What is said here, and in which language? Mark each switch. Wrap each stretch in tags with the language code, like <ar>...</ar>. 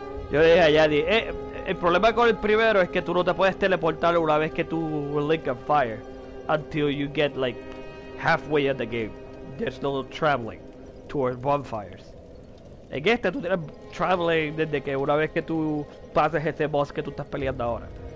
<es>Yo dije a Yadi, el problema con el primero es que tú no te puedes teleportar una vez que tú</es> <en>link a fire. Until you get like halfway at the game. There's no traveling towards bonfires.</en> <es>En este tú tienes traveling desde que una vez que tú pases ese boss que tú estás peleando ahora.</es>